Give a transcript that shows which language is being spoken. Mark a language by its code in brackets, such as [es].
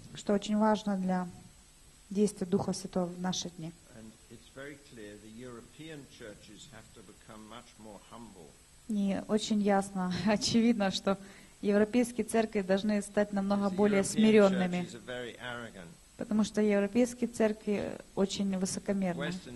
[ru] Что очень важно для действия Духа Святого в наши дни. [en] And it's very clear the European churches have to become much more humble. [ru] Не очень ясно, очевидно, что европейские церкви должны стать намного более смиренными, потому что европейские церкви очень высокомерны.